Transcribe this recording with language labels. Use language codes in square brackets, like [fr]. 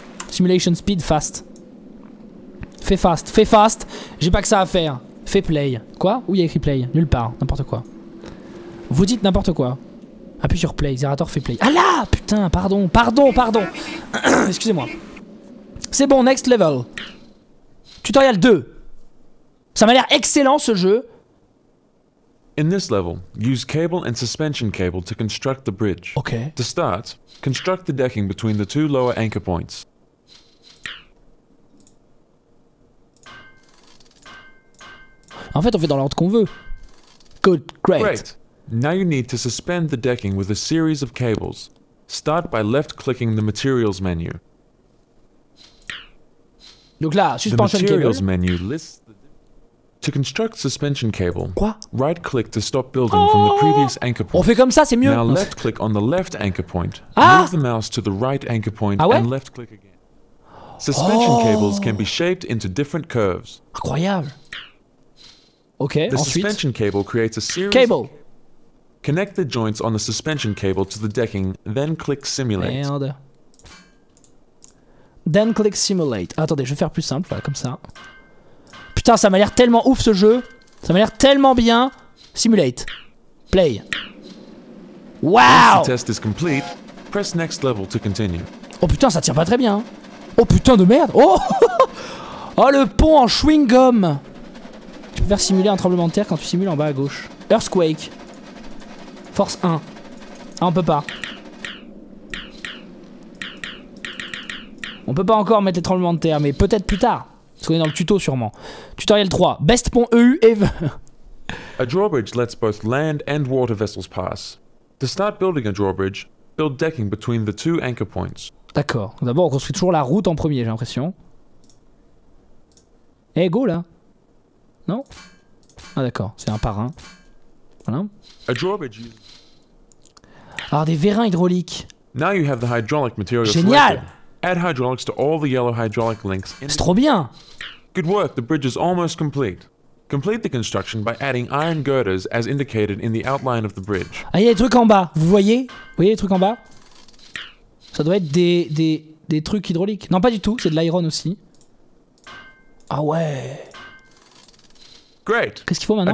[fr] Simulation speed fast. Fais fast, fais fast. J'ai pas que ça à faire. Fais play. Quoi? Où il y a écrit play? Nulle part. N'importe quoi. Vous dites n'importe quoi. Appuie sur play. Zerator fait play. Ah là! Putain, pardon, pardon, pardon. Excusez-moi. C'est bon, next level. Tutorial 2. Ça m'a l'air excellent ce jeu. [en] In this level, use cable and suspension cable to construct the bridge. Ok. To start, construct the decking between the two lower anchor points. [fr] En fait, on fait dans l'ordre qu'on veut. Good, great. [en] Great. Now you need to suspend the decking with a series of cables. Start by left-clicking the materials menu. [fr] Donc là, suspension cable. [en] The materials menu lists to construct suspension cable. [fr] Quoi? [en] Right-click to stop building from the previous anchor point. [fr] On fait comme ça, c'est mieux. [en] Now left-click on the left anchor point. Ah! Move the mouse to the right anchor point. [fr] Ah ouais? [en] And left-click again. Suspension cables can be shaped into different curves. [fr] Incroyable. Ok, [en] the [fr] ensuite. [en] The suspension cable creates a series cable. Of connect the joints on the suspension cable to the decking, then click simulate. [fr] Merde. [en] Then click simulate. [fr] Attendez, je vais faire plus simple, voilà, comme ça. Putain, ça m'a l'air tellement ouf ce jeu. Ça m'a l'air tellement bien. [en] Simulate. Play. Wow! Once the test is complete, press next level to continue. [fr] Oh putain, ça tient pas très bien. Oh putain de merde. Oh! Oh le pont en chewing-gum. Tu peux faire simuler un tremblement de terre quand tu simules en bas à gauche. Earthquake. Force 1. Ah, on peut pas. On peut pas encore mettre les tremblements de terre, mais peut-être plus tard. Parce qu'on est dans le tuto, sûrement. Tutoriel 3. Best pont EU ever. [en] A drawbridge lets both land and water vessels pass. To start building a drawbridge, build decking between the two anchor points. [fr] D'accord. D'abord, on construit toujours la route en premier, j'ai l'impression. Eh, hey, go là. Non. Ah, d'accord. C'est un parrain. Voilà. [en] A drawbridge. [fr] Alors, des vérins hydrauliques. [en] Now you have the hydraulic material. [fr] Génial! [en] Add hydraulics to all the yellow hydraulic links. [fr] C'est trop bien. [en] Good work. The bridge is almost complete. Complete the construction by adding iron girders as indicated in the outline of the bridge. [fr] Ah, il y a des trucs en bas. Vous voyez? Vous voyez les trucs en bas? Ça doit être des trucs hydrauliques. Non, pas du tout. C'est de l'iron aussi. Ah ouais. [en] Great. [fr] Qu'est-ce qu'il faut maintenant?